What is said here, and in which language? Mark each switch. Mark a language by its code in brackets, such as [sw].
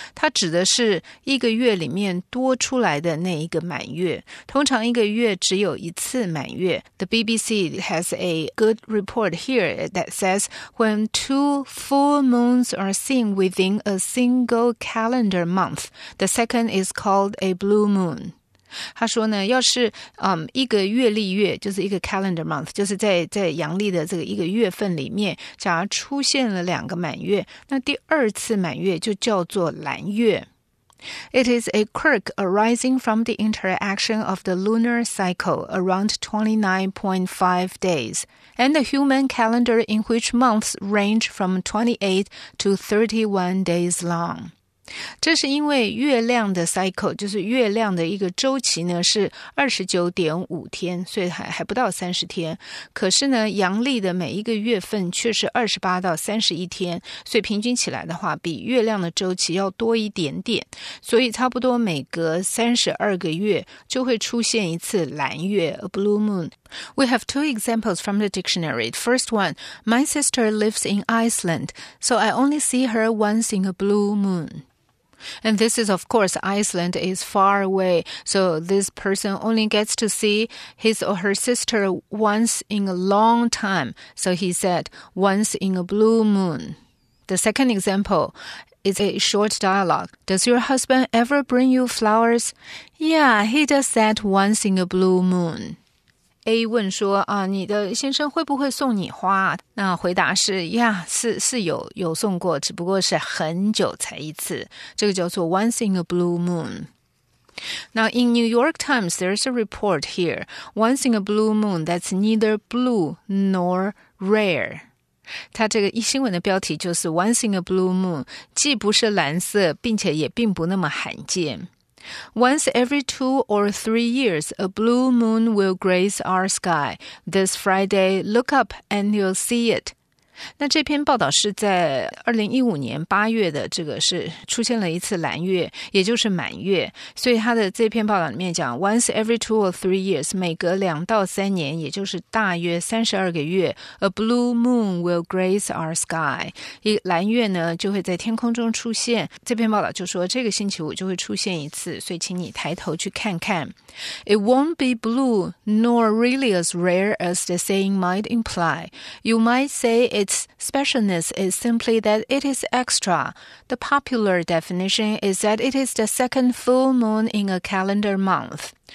[zh] 它指的是一个月里面多出来的那一个满月。通常一个月只有一次满月。 [en] The BBC has a good report here that says, when two full moons are seen within a single calendar month. The second is called a blue moon. [zh] 他说呢，要是一个月历月，就是一个 [en] calendar month, [zh] 就是在阳历的这个一个月份里面，假如出现了两个满月，那第二次满月就叫做蓝月。 [en] It is a quirk arising from the interaction of the lunar cycle around 29.5 days and the human calendar in which months range from 28 to 31 days long. [zh] 这是因为月亮的 cycle, 就是月亮的一个周期呢是 29.5 天所以 还不到30天。可是呢阳历的每一个月份却是28到31天所以平均起来的话比月亮的周期要多一点点。所以差不多每隔32个月就会出现一次蓝月 [en] a blue moon。 We have two examples from the dictionary. First one, my sister lives in Iceland, so I only see her once in a blue moon. And this is, of course, Iceland is far away, so this person only gets to see his or her sister once in a long time. So he said, once in a blue moon. The second example is a short dialogue. Does your husband ever bring you flowers? Yeah, he does that once in a blue moon. [zh] A 问说啊，你的先生会不会送你花？那回答是呀，是有送过，只不过是很久才一次。这个叫做 [en] once in a blue moon。Now in New York Times, there's a report here. Once in a blue moon, that's neither blue nor rare. [zh] 它这个新闻的标题就是 [en] once in a blue moon, [zh] 既不是蓝色，并且也并不那么罕见。 [en] Once every two or three years, a blue moon will grace our sky. This Friday, look up and you'll see it. [zh] 那这篇报道是在2015年8月的这个是出现了一次蓝月，也就是满月。所以他的这篇报道里面讲 [en] ,once every two or three years, [zh] 每隔两到三年，也就是大约32个月 [en] ,a blue moon will grace our sky. [zh] 蓝月呢就会在天空中出现。这篇报道就说这个星期五就会出现一次，所以请你抬头去看看。 [en] It won't be blue, nor really as rare as the saying might imply. You might say its specialness is simply that it is extra. The popular definition is that it is the second full moon in a calendar month.